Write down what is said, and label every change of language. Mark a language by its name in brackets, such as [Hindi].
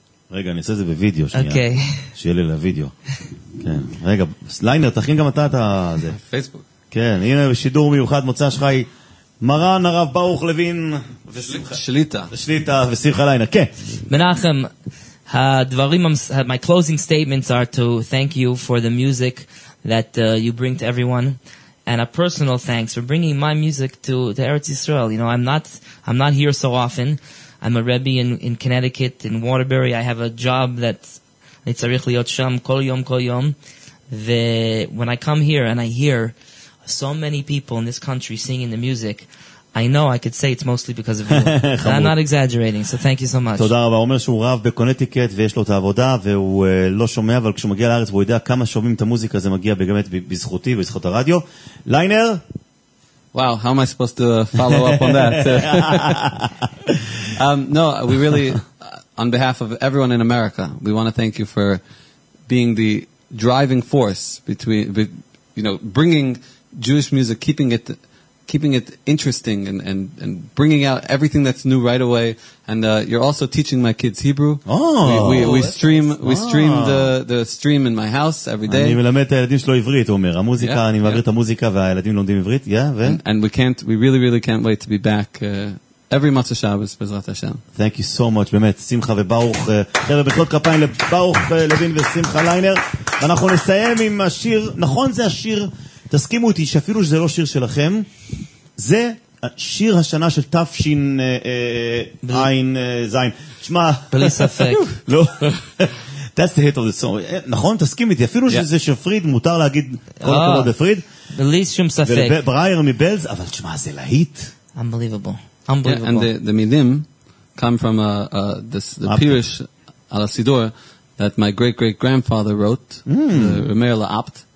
[Hebrew] רגע, אני אעשה את זה בווידאו שנייה. אוקיי. שיהיה לי לווידאו. כן. רגע, ליינר, תכין גם אתה את זה. פייסבוק. כן, הנה בשידור מיוחד מוצא שחי מרן הרב ברוך לוין. שליטה. שליטה ושמחה ליינר, כן. מנחם, הדברים, [English] my closing statements are to thank you for the music that you bring to everyone. And a personal thanks for bringing my music to Eretz Yisrael. You know, I'm not here so often. I'm a Rebbe in Connecticut, in Waterbury. I have a job that's [Hebrew] צריך להיות שם כל יום, כל יום. [English] When I come here and I hear so many people in this country singing the music, I know I could say it's mostly because of you. I'm not exaggerating, so thank you so much. [Hebrew] תודה רבה. אומר שהוא רב בקונטיקט ויש לו את העבודה, והוא לא שומע, אבל כשהוא מגיע לארץ והוא יודע כמה שומעים את המוזיקה, זה מגיע באמת בזכותי, בזכות הרדיו. ליינר? [English] Wow, how am I supposed to follow up on that? no, we really, on behalf of everyone in America, we want to thank you for being the driving force between, you know, bringing Jewish music, keeping it interesting and bringing out everything that's new right away. And you're also teaching my kids Hebrew. Oh, we stream the stream in my house every day. [Hebrew] אני מלמד את הילדים שלו עברית, הוא אומר. המוזיקה, אני מעביר את המוזיקה והילדים לומדים עברית. [English] Yeah, and we really can't wait to be back every Motzei Shabbos, [Hebrew] בעזרת השם. [English] Thank you so much, [Hebrew] באמת. שמחה וברוך. חבר'ה, בחיאות כפיים לברוך לוין ושמחה ליינר. ואנחנו נסיים עם השיר, נכון זה השיר, תסכימו איתי שאפילו שזה לא שיר שלכם, זה שיר השנה של תפשין עין זין. שמע, בלי ספק. לא. [English] That's the hit of the song. [Hebrew] נכון? תסכים איתי. אפילו שזה של פריד, מותר להגיד כל הכבוד לפריד. בלי שום ספק. ולברייר מבלז, אבל שמע, זה להיט. [English] Unbelievable. Unbelievable. Yeah, and the milim come from the Pirush al Sidur that my great great grandfather wrote, Rameir Laapt.